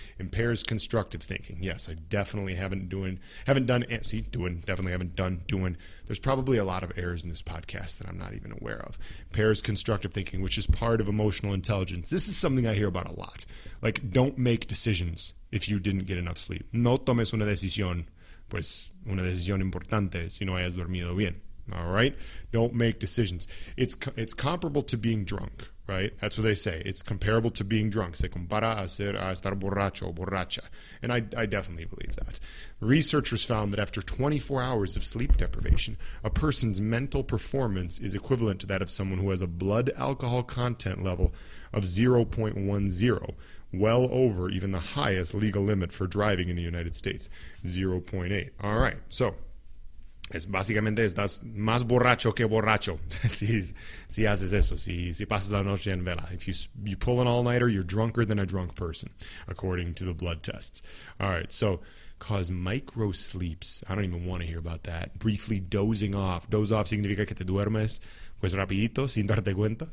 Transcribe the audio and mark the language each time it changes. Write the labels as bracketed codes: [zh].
[en] Impairs constructive thinking. Yes, I definitely haven't done. There's probably a lot of errors in this podcast that I'm not even aware of. Impairs constructive thinking, which is part of emotional intelligence. This is something I hear about a lot. Like, don't make decisions if you didn't get enough sleep. [es] No tomes una decisión, pues una decisión importante si no hayas dormido bien. [en] All right? Don't make decisions. It's comparable to being drunk, right? That's what they say. It's comparable to being drunk. [es] Se compara a estar borracho, borracha. [en] And I definitely believe that. Researchers found that after 24 hours of sleep deprivation, a person's mental performance is equivalent to that of someone who has a blood alcohol content level of 0.10, well over even the highest legal limit for driving in the United States, 0.8. All right, so [es] es básicamente estás más borracho que borracho si haces eso, si pasas la noche en vela. [en] If you pull an all-nighter, you're drunker than a drunk person, according to the blood tests. All right, so cause micro sleeps. I don't even want to hear about that. Briefly dozing off. [es] Doze off significa que te duermes pues rapidito, sin darte cuenta.